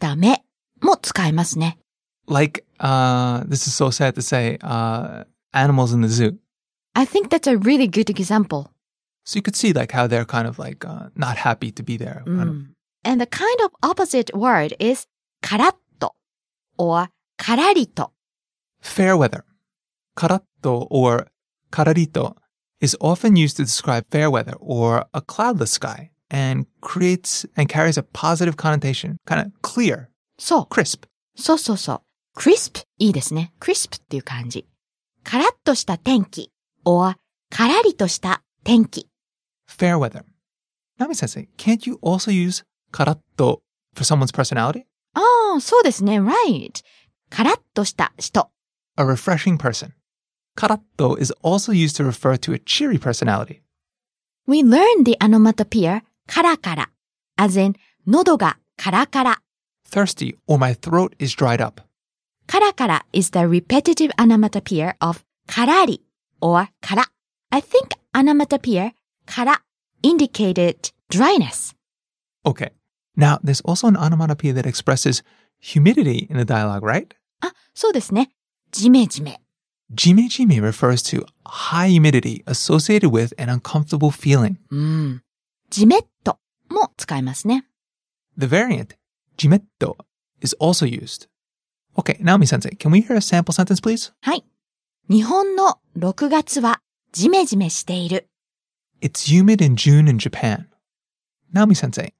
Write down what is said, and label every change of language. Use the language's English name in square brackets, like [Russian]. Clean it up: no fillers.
[Japanese] あと、どんよりした目も使いますね. [English] This is so sad to say, animals in the zoo. I think that's a really good example. So you could see like how they're kind of like not happy to be there. And the kind of opposite word is karatto or kararito. Fair weather. Karatto or kararito is often used to describe fair weather or a cloudless sky and creates and carries a positive connotation, kind of clear, so crisp. [Japanese] So. Crisp, いいですね.Crisp っていう感じ. カラッとした天気 or カラリとした天気. [English] Fair weather. Nami-sensei, can't you also use カラッと for someone's personality? [Japanese] Oh, そうですね, right. カラッとした人. [English] A refreshing person. カラッと is also used to refer to a cheery personality. We learned the onomatopoeia カラカラ, as in [Japanese] 喉がカラカラ. [English] Thirsty or my throat is dried up. カラカラ is the repetitive onomatopoeia of カラリ or カラ. I think onomatopoeia カラ indicated dryness. Okay. Now, there's also an onomatopoeia that expresses humidity in the dialogue, right? [Japanese] そうですね.ジメジメ. [English] ジメジメ refers to high humidity associated with an uncomfortable feeling. [Japanese] ジメッとも使いますね. [English] The variant, ジメッと, is also used. Okay, Naomi-sensei, can we hear a sample sentence, please? [Japanese] はい. 日本の6月はジメジメしている. [English] It's humid in June in Japan. Naomi-sensei.